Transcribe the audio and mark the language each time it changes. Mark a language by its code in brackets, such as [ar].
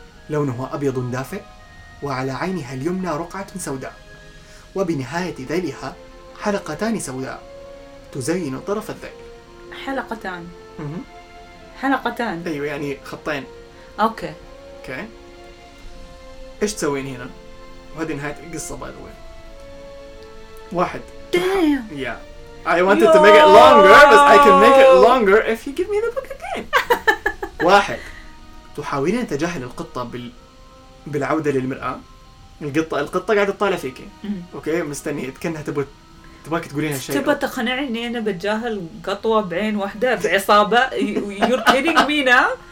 [ar] لونها أبيض دافئ، وعلى عينها اليمنى رقعة سوداء، وبنهاية ذيلها حلقتان سوداء تزين طرف الذيل. حلقتان. حلقتان. أيوة يعني خطين. أوكي. أوكي. إيش تسوين هنا؟ وهذه نهاية القصة [en] by the way. [ar] واحد. [en] Damn. Yeah. I wanted to make it longer, but I can make it longer if you give me the book again. [ar] واحد. تحاولين تجاهل القطة بالعودة للمرآة. القطة قاعدة تطالع فيكي. أوكي مستني كأنها تبغاك تقولين هالشيء. تبغى تقنعني أنا بتجاهل قطوة بعين واحدة بعصابة. [en] You're kidding me now.